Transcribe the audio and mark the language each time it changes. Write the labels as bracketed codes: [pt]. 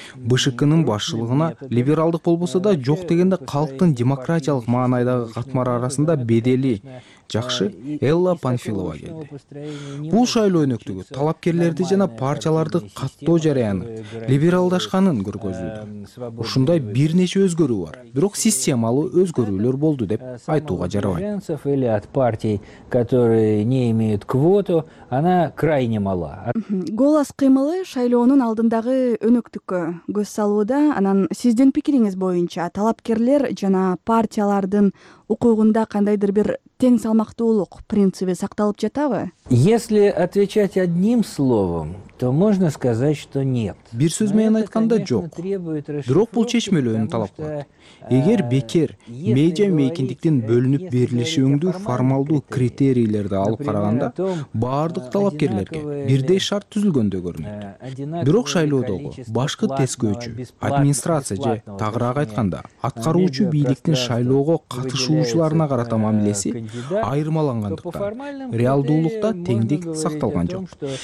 [ky] БШКнын башчылыгына либералдык болбосо да жок дегенде калктын демократиялык маанайдагы катмары арасында бедели жакшы Элла Панфилова келди. Бул шайлоо өнөктүгү талапкерлерди жана партияларды каттоо жараяны либералдашканын көргөзүүдө. Ушундай бир нече өзгөрүү бар, бирок системалуу өзгөрүүлөр болду деп айтууга жарабайт. [ru] Эле от партий, которые не имеют квоту, она крайне мала. [ky] Голос кыймылы шайлоонун алдындагы өнөктүккө көз салууда, анан сиздин пикириңиз боюнча талапкерлер жана партиялардын укугунда кандайдыр бир тең салмактуулук принциби сакталып жатабы? [ru] Если отвечать одним словом, то можно сказать, что нет. [ky] Бир сөз менен айтканда жок. Бирок бул чечмелөөнү талап кылат. Эгер бекер медиа мейкиндиктин бөлүнүп берилиши өңдүү формалдуу критерийлерди алып караганда, баардык талапкерлерге бирдей шарт түзүлгөндөй көрүнөт. Бирок шайлоодогу башкы тескөөчү, администрация же тагыраак айтканда, аткаруучу бийликтин шайлоого катышуучуларына карата мамилеси айырмалангандыктан, реалдуулукта теңдик сакталган жок.